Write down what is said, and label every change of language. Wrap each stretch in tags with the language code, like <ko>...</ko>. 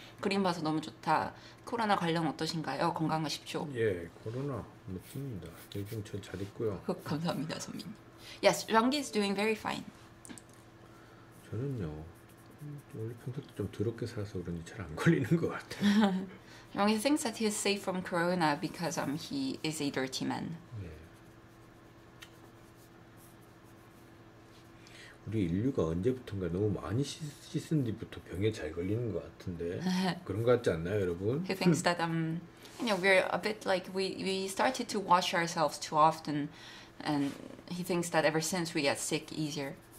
<ko>그림 봐서 너무 좋다. 코로나 관련 어떠신가요? 건강하십시오. 예, 코로나 맞습니다. 요즘 전 잘 있고요. 감사합니다, 선민님.</ko> <en>Yes, Rangi is doing very fine.</en> <ko>저는요. 원래 평소 때 좀 더럽게 살아서 그런지 잘 안 걸리는 것 같아.</ko> <en>영희 thinks that he is safe from corona because he is a dirty man.</en> <ko>네. 우리 인류가 언제부턴가 너무 많이 씻은 뒤부터 병에 잘 걸리는 것 같은데 그런 것 같지 않나요, 여러분?</ko> <en>He thinks that you know we're a bit like we started to wash ourselves too often, and he thinks that ever since we get sick easier.</en>